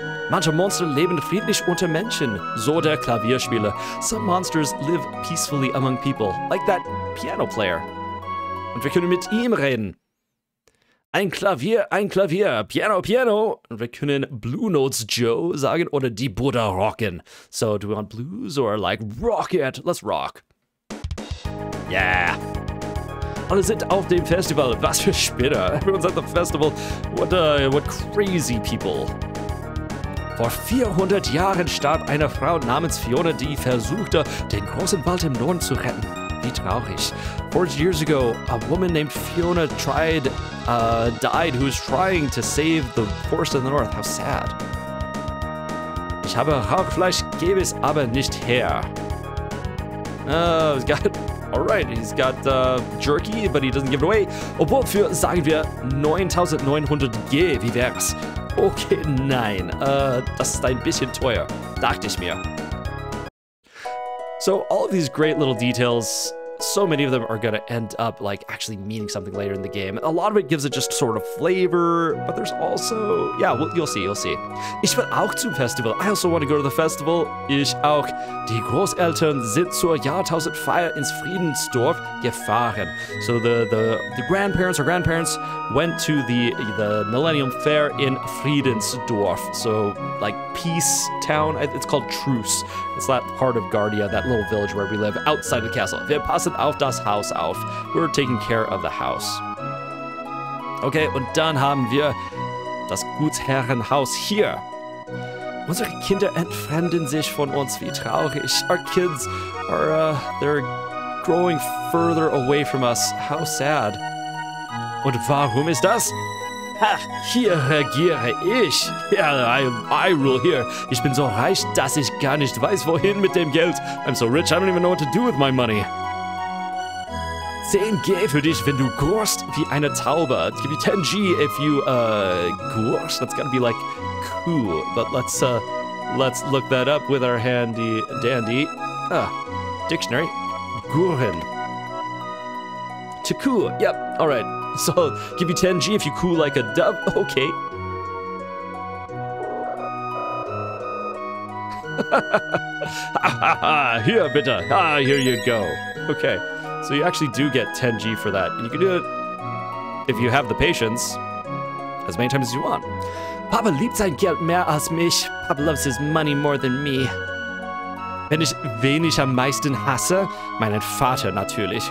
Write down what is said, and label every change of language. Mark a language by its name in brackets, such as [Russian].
[German] Manche Monster leben friedlich unter Menschen, so der Klavierspieler. [English] Some monsters live peacefully among people, like that piano player. [German] Und wir können mit ihm reden. Ein Klavier, piano, piano. Und wir können Blue Notes Joe sagen oder die Buddha rocken. [English] So, do we want blues or like rock it? Let's rock. Yeah. [German] Alle sind auf dem Festival. Was für Spinner. [English] Everyone's at the festival. What crazy people. [German] Vor 400 Jahren starb eine Frau namens Fiona, die versuchte, den großen Wald im Norden zu retten. Wie traurig. [English] 4 years ago, a woman named Fiona died who's trying to save the forest in the north. How sad. [German] Ich habe Hackfleisch, gebe es aber nicht her. [English] Alright, he's got jerky, but he doesn't give it away. [German] Obwohl für, sagen wir, 9900 G, wie wär's? Okay, nein, das ist ein bisschen teuer, dachte ich mir. [English] So, all of these great little details, so many of them are gonna end up, like, actually meaning something later in the game. A lot of it gives it just sort of flavor, but there's also, yeah, well, you'll see. [German] Ich will auch zum Festival. [English] I also want to go to the festival. [German] Ich auch. Die Großeltern sind zur Jahrtausendfeier ins Friedensdorf gefahren. [English] So the grandparents or grandparents went to the Millennium Fair in Friedensdorf. So, like, peace town. It's called Truce. It's that part of Guardia, that little village where we live, outside the castle. [German] Wir passen auf das Haus auf. [English] We're taking care of the house. [German] Okay, und dann haben wir das Gutsherrenhaus hier. Unsere Kinder entfremden sich von uns. Wie traurig. [English] Our kids are, they're growing further away from us. How sad. [German] Und warum ist das? Ha, hier regiere ich. [English] Yeah, I rule here. [German] Ich bin so reich, dass ich gar nicht weiß, wohin mit dem Geld. [English] I'm so rich, I don't even know what to do with my money. [German] 10 G für dich, wenn du gurst wie eine Taube. [English] It's gonna be 10 G if you, gurst. That's gonna be like, cool. But let's look that up with our handy dandy, dictionary. Guren. To coo, yep, all right. So, give you 10 G if you coo like a dove. Okay. Here, bitte. Ah, here you go. Okay. So you actually do get 10 G for that. And you can do it if you have the patience as many times as you want. [German] Papa liebt sein Geld mehr als mich. [English] Papa loves his money more than me. [German] Wenn ich wen ich am meisten hasse, meinen Vater natürlich.